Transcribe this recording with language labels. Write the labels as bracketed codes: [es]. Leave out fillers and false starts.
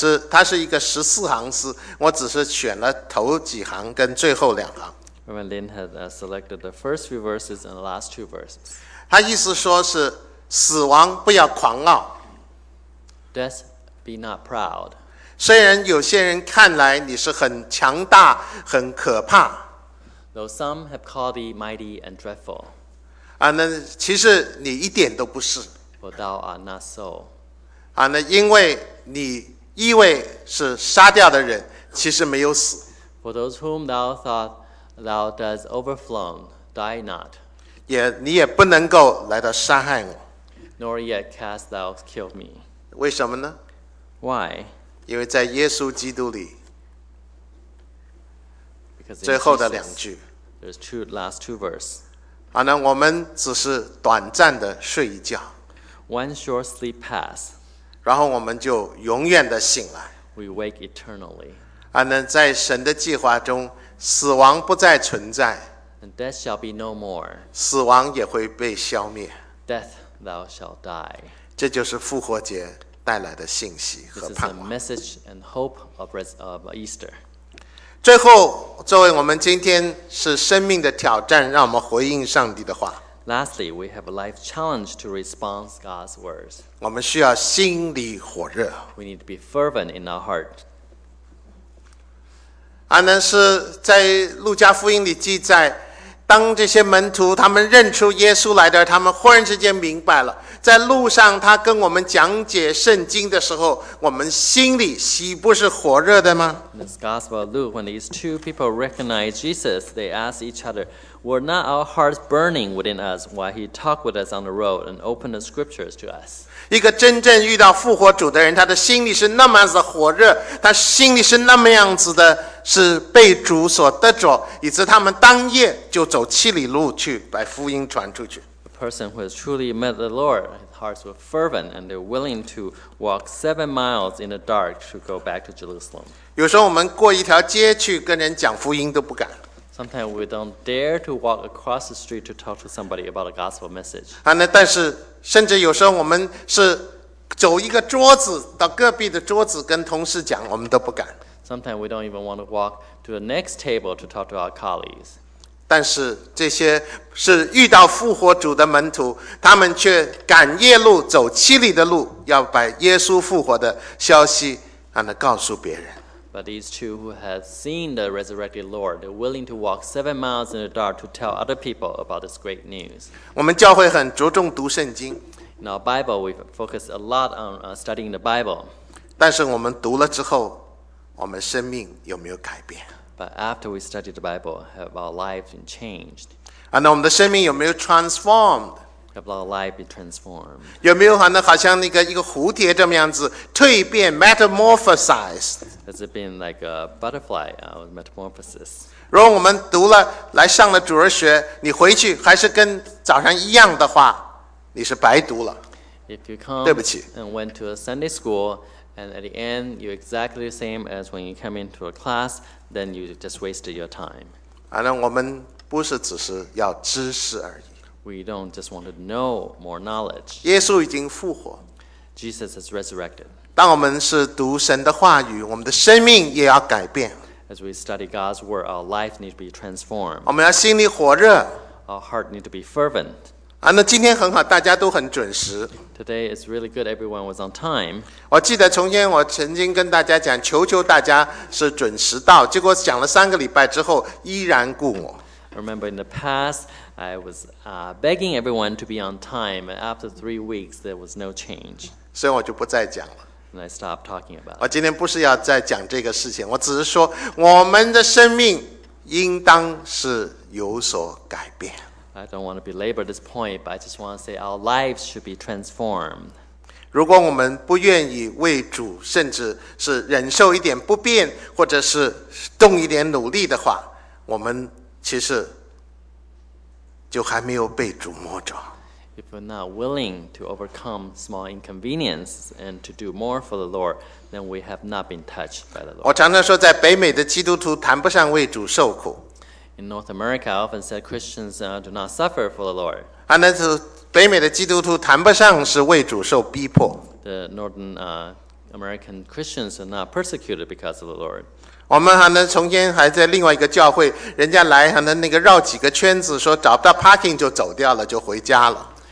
[zh] 它是一个14行诗，我只是选了头几行跟最后两行。 [en] Reverend Lin had selected the first few verses and the last two verses. [zh] 他意思说是死亡不要狂傲。 [en] Death be not proud. [zh] 虽然有些人看来你是很强大，很可怕。 [en] Though some have called thee mighty and dreadful. [zh] 那其实你一点都不是。 [en] For thou art not so. [zh] 那因为你以为是杀掉的人，其实没有死。 [en] For those whom thou thought thou dost overflown, die not. [zh] 你也不能够来到杀害我。 [en] Nor yet cast thou kill me. [zh] 为什么呢？ [en] Why? [zh] 因为在耶稣基督里。 [en] Jesus, [zh] 最后的两句 [en] there's two last two verse. [zh] 那我们只是短暂的睡一觉 [en] one short sleep pass. [zh] 然后我们就永远的醒来 [en] we wake eternally. [zh] 那在神的计划中，死亡不再存在 [en] and death shall be no more. [zh] 死亡也会被消灭 [en] death thou shall die. [zh] 这就是复活节带来的信息和盼望 [en] this is a message and hope of Easter. [zh] 最后，作为我们今天是生命的挑战，让我们回应上帝的话。 [en] Lastly, we have a life challenge to respond to God's words. [zh] 我们需要心里火热。 [en] We need to be fervent in our heart. [zh] 阿南是在路加福音里记载，当这些门徒他们认出耶稣来的，他们忽然之间明白了，在路上他跟我们讲解圣经的时候，我们心里岂不是火热的吗？ [en] In this gospel of Luke, when these two people recognized Jesus, they asked each other, were not our hearts burning within us while he talked with us on the road and opened the scriptures to us? [zh] 一个真正遇到复活主的人，他的心里是那么样子的火热，他心里是那么样子的是被主所得着，以致他们当夜就走七里路去把福音传出去。 [en] Person who has truly met the Lord, his hearts were fervent, and they're willing to walk 7 miles in the dark to go back to Jerusalem. [zh] 有时候我们过一条街去跟人讲福音都不敢。 [en] Sometimes we don't dare to walk across the street to talk to somebody about a gospel message. [zh] 但是甚至有时候我们是走一个桌子到隔壁的桌子跟同事讲，我们都不敢。 [en] Sometimes we don't even want to walk to the next table to talk to our colleagues. [zh] 但是这些是遇到复活主的门徒，他们却赶夜路走七里的路，要把耶稣复活的消息让他告诉别人。 [en] But these two who had seen the resurrected Lord, they're willing to walk 7 miles in the dark to tell other people about this great news. [zh] 我们教会很着重读圣经。 [en] In our Bible, we focus a lot on studying the Bible. [zh] 但是我们读了之后，我们生命有没有改变？ [en] But after we studied the Bible, have our lives been changed? [zh] 那我们的生命有没有 [en] transformed? Have our life been transformed? [zh] 有没有好像一个蝴蝶这么样子蜕变 [en] metamorphosized? Has it been like a butterfly with metamorphosis? [zh] 如果我们读了来上了主日学，你回去还是跟早上一样的话，你是白读了。 [en] If you come and went to a Sunday school, and at the end you're exactly the same as when you come into a class,then you just wasted your time. [zh] 我们不是只是要知识而已。 [en] We don't just want to know more knowledge. [zh] 耶稣已经复活。 [en] Jesus has resurrected. [zh] 当我们是读神的话语，我们的生命也要改变。 [en] As we study God's word, our life needs to be transformed. [zh] 我们要心里火热。 [en] Our heart needs to be fervent. [zh] 今天很好，大家都很准时。 [en] Today is really good. Everyone was on time. [zh] 我记得从前我曾经跟大家讲，求求大家是准时到。结果讲了三个礼拜之后，依然故我。 [en] Remember in the past, I was begging everyone to be on time. And after 3 weeks, there was no change. [zh] 所以我就不再讲了。 [en] And I stopped talking about. [zh] 我今天不是要再讲这个事情，我只是说我们的生命应当是有所改变。 [en] I don't want to belabor this point, but I just want to say our lives should be transformed. [zh] 如果我们不愿意为主，甚至是忍受一点不便，或者是动一点努力的话，我们其实就还没有被主摸着。 [en] If we're not willing to overcome small inconvenience and to do more for the Lord, then we have not been touched by the Lord. [zh] 我常常说，在北美的基督徒谈不上为主受苦。 [en] In North America, I often said Christians do not suffer for the Lord. [zh] 那是北美的基督徒谈不上是为主受逼迫。 [en] The Northern American Christians are not persecuted because of the Lord. [zh] 我们从前还在另外一个教会，人家来绕几个圈子，说找不到 parking 就走掉了，就回家了。